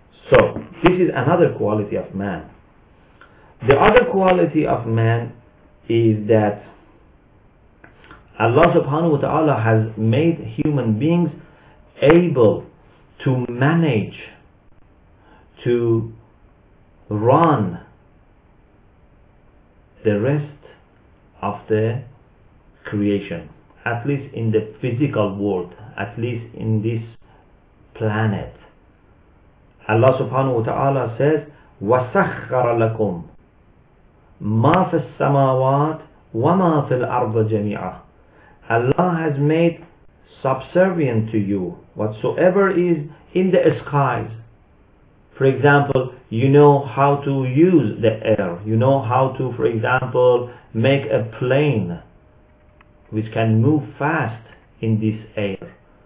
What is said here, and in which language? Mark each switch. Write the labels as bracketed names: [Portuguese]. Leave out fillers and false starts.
[English] So, this is another quality of man. The other quality of man is that Allah subhanahu wa ta'ala has made human beings able to manage, to run the rest of the creation, at least in the physical world, at least in this planet. [Arabic] Allah subhanahu wa ta'ala says, وَسَخَّرَ لَكُمْ مَا فِي السَّمَاوَاتِ وَمَا فِي الْأَرْضِ جَمِيعًا. [English] Allah has made subservient to you whatsoever is in the skies. For example, you know how to use the air. You know how to, for example, make a plane which can move fast in this air.